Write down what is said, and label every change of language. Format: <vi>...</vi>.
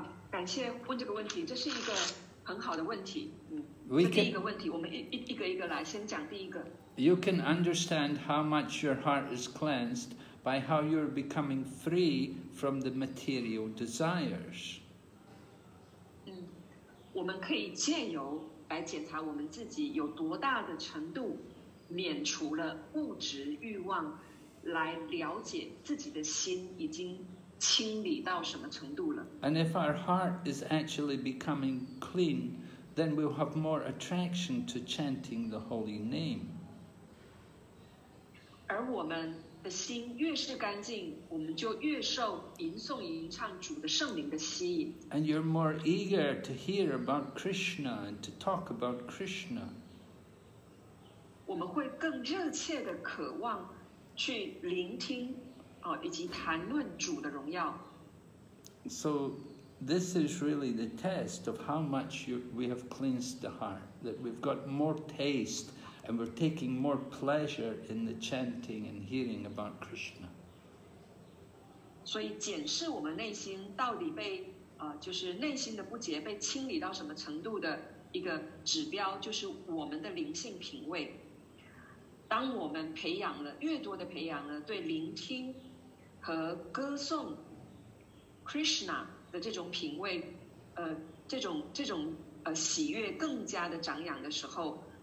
<zh>感谢问这个问题，这是一个很好的问题。这第一个问题，我们一个一个来，先讲第一个。</zh> <en>You can understand how much your heart is cleansed by how you're becoming free from the material desires.</en> <zh>我们可以借由来检查我们自己有多大的程度免除了物质欲望，来了解自己的心已经清理到什么程度了。</zh> <en>And if our heart is actually becoming clean, then we'll have more attraction to chanting the holy name.</en> <zh>而我们的心越是干净，我们就越受吟诵吟唱主的圣灵的吸引。</zh> <en>And you're more eager to hear about Krishna and to talk about Krishna.</en> <zh>我们会更热切的渴望去聆听，以及谈论主的荣耀。</zh> <en>So this is really the test of how much we have cleansed the heart, that we've got more taste. And we're taking more pleasure in the chanting and hearing about Krishna.</en> <zh>所以检视我们内心到底被就是内心的不洁被清理到什么程度的一个指标，就是我们的灵性品味。当我们培养了越多的培养了对聆听和歌颂 Krishna 的这种品味，这种喜悦更加的长养的时候。</zh>